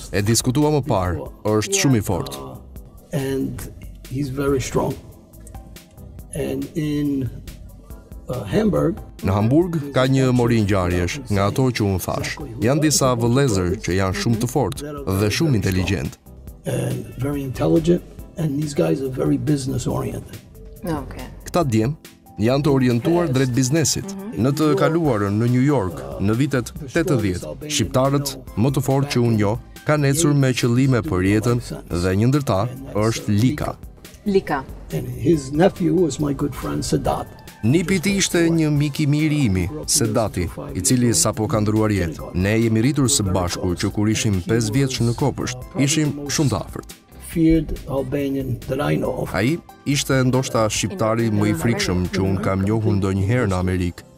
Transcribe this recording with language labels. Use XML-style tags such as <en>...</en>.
<sq>E diskutuam më parë, është shumë i fortë.</sq> <en>And he's very strong. And in Hamburg,</en> <sq>në Hamburg ka një mori ngjarjesh nga ato që un thash. Janë disa vëllezër që janë shumë të fortë dhe shumë inteligjent.</sq> <en>Very intelligent and these guys are very business oriented. Okay.</en> <sq>Këta djem janë të orientuar drejt biznesit. Në të kaluarën në New York, në vitet 80, shqiptarët më të fortë që un njoh kanë ecur me qëllime për jetën dhe një ndër ta është Lika. Lika.</sq> <en>And his nephew was my good friend Sadat.</en> <sq>Nipi i tij ishte një mik i mirë i imi, Sadati, i cili sapo ka ndruar jetë. Ne jemi rritur së bashku që kur ishim 5 vjeç në kopësht. Ishim shumë të afërt.</sq> <en>feared Albanian that I know of.</en> <sq>Ai ishte ndoshta shqiptari më i frikshëm që un kam njohur ndonjëherë në Amerikë.</sq>